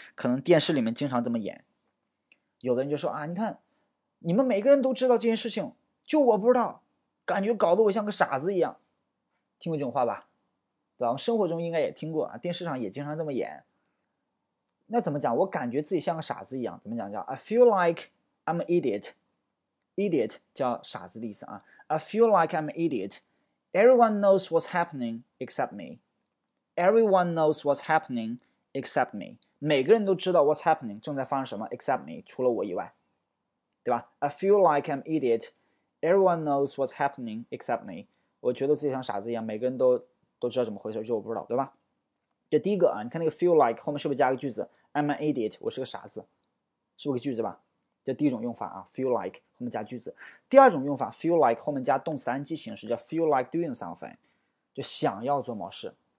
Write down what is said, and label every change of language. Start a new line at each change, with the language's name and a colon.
Chinese: 可能电视里面经常这么演。有的人就说啊，你看，你们每个人都知道这件事情，就我不知道，感觉搞得我像个傻子一样。听过这种话吧？对吧？我们生活中应该也听过啊，电视上也经常这么演。那怎么讲？我感觉自己像个傻子一样，怎么讲叫？
English: I feel like I'm an idiot。
Chinese: idiot 叫傻子的意思啊。
English: I feel like I'm an idiot。 Everyone knows what's happening except me。 Everyone knows what's happening except me。
Chinese: 每个人都知道 what's happening 正在发生什么 except me 除了我以外，对吧？
English: I feel like I'm an idiot。 Everyone knows what's happening except me。
Chinese: 我觉得自己像傻子一样，每个人都知道怎么回事，就我不知道，对吧？这第一个啊，你看那个 feel like 后面是不是加个句子？
English: I'm an idiot，
Chinese: 我是个傻子，是不是个句子吧？这第一种用法啊，feel like 后面加句子。第二种用法，feel like 后面加动词单机形式，叫 feel like doing something，就想要做某事。